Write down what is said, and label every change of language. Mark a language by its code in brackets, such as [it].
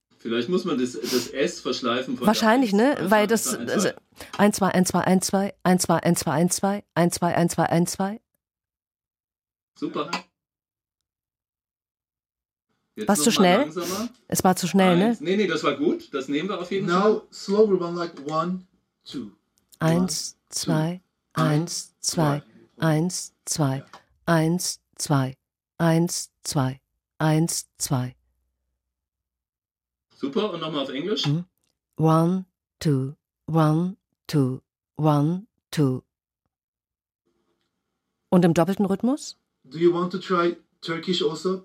[de] Vielleicht muss man das S verschleifen. Von wahrscheinlich, ne? Weil das 1212 1212 1212 1212 1212. Super. Jetzt warst du schnell? Langsamer. Es war zu schnell, eins. Ne? Nee, das war gut. Das nehmen wir auf jeden Fall. [en] Now slower, one, like one, two. [de] Eins, zwei, eins, zwei, eins, zwei, eins, zwei, eins, zwei, eins, zwei. Super, und nochmal auf Englisch. [en] One, two, one, two, one, two. [de] Und im doppelten Rhythmus? [en] Do you want to try Turkish also?